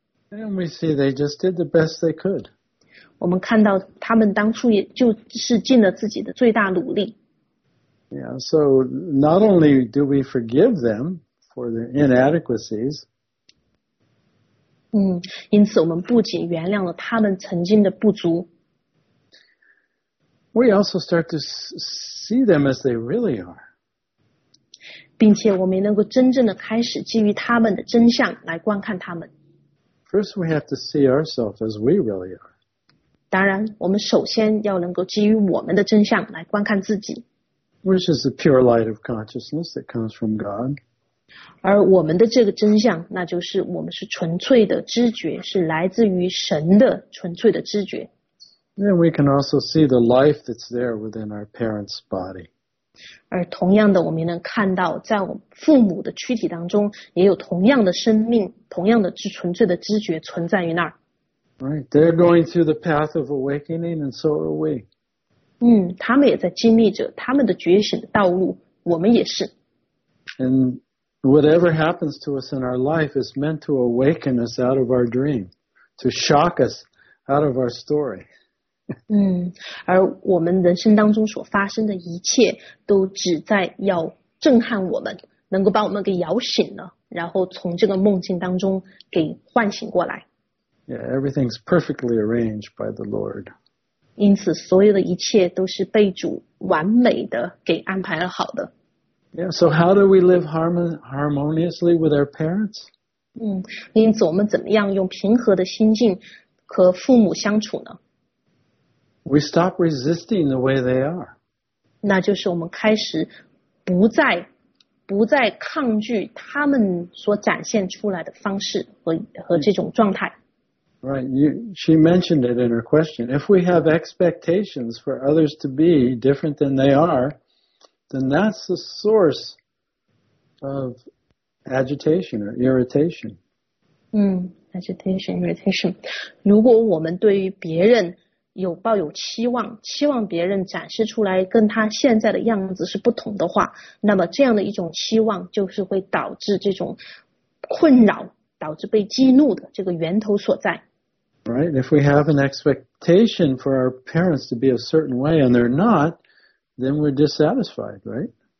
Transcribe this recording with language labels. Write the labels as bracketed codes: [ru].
[en] And we see they just did the best they could. [zh] 我们看到他们当初也就是尽了自己的最大努力。 [en] Yeah, so not only do we forgive them for their inadequacies. [zh] 因此我们不仅原谅了他们曾经的不足。 [en] We also start to see them as they really are. [zh] 并且我们能够真正的开始基于他们的真相来观看他们。 [en] First, we have to see ourselves as we really are. [zh] 当然，我们首先要能够基于我们的真相来观看自己。 [en] Which is the pure light of consciousness that comes from God. [zh] 而我们的这个真相，那就是我们是纯粹的知觉，是来自于神的纯粹的知觉。 [en] Then we can also see the life that's there within our parents' body. [zh] 而同样的，我们能看到在我父母的躯体当中，也有同样的生命，同样的纯粹的知觉存在于那儿。 [en] Right, they're going through the path of awakening, and so are we. [zh] 他们也在经历着他们的觉醒的道路，我们也是。 [en] And whatever happens to us in our life is meant to awaken us out of our dream, to shock us out of our story. [zh] 而我们人生当中所发生的一切都旨在要震撼我们，能够把我们给摇醒了，然后从这个梦境当中给唤醒过来。 [en] Yeah, everything's perfectly arranged by the Lord. [zh] 因此所有的一切都是被主完美的给安排了好的。 [en] Yeah, so how do we live harmoniously with our parents? [zh] 因此我们怎么样用平和的心境和父母相处呢？ [en] We stop resisting the way they are. [zh] 那就是我们开始不再抗拒他们所展现出来的方式 和这种状态。 [en] Right, she mentioned it in her question. If we have expectations for others to be different than they are, then that's the source of agitation or irritation. Agitation, irritation. [zh] 如果我们对于别人有抱有期望，期望别人展示出来跟他现在的样子是不同的话，那么这样的一种期望就是会导致这种困扰，导致被激怒的这个源头所在。 [en] Right, if we have an expectation for our parents to be a certain way and they're not, then we're dissatisfied, right?